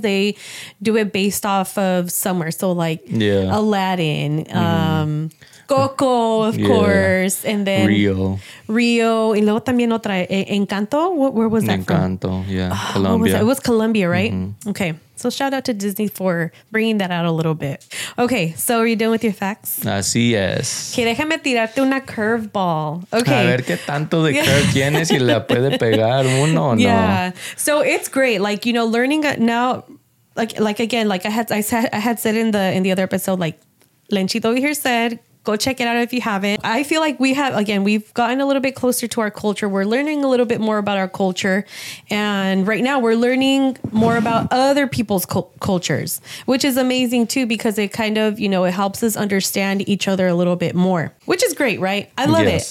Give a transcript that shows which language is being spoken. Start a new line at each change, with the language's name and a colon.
English: They do it based off of somewhere. So like Aladdin, Coco, of course. And then Rio. And
Spanish: luego también otra.
English: Encanto. Where was that Encanto, from? Yeah. Colombia. It was Colombia, right? Mm-hmm. Okay. So shout out to Disney for bringing that out a little bit. Okay, so are you done with your facts?
Spanish: Así es. Que déjame tirarte una
English: curveball.
Spanish: Okay. A ver qué tanto de curve tienes y la puede pegar uno o no.
English: Yeah, so it's great. Like, you know, learning now, like again, like I had said in the other episode, like Lenchito over here said, go check it out if you haven't. I feel like we have, again, we've gotten a little bit closer to our culture. We're learning a little bit more about our culture. And right now we're learning more about other people's cultures, which is amazing too, because it kind of, you know, it helps us understand each other a little bit more, which is great, right? I love it.